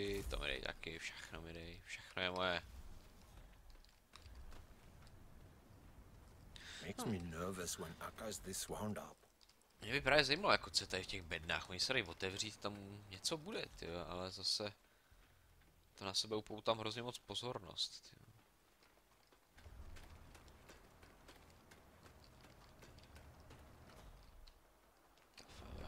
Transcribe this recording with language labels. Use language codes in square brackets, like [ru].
[cs] To mi dej taky, všechno mi dej, všechno je moje. [en] Makes me nervous when Akka's this wound up. [cs] Mě by právě zajímalo, jako co tady v těch bednách, oni se dají otevřít, tam něco bude, tyjo, ale zase to na sebe upoutám hrozně moc pozornost, tyjo.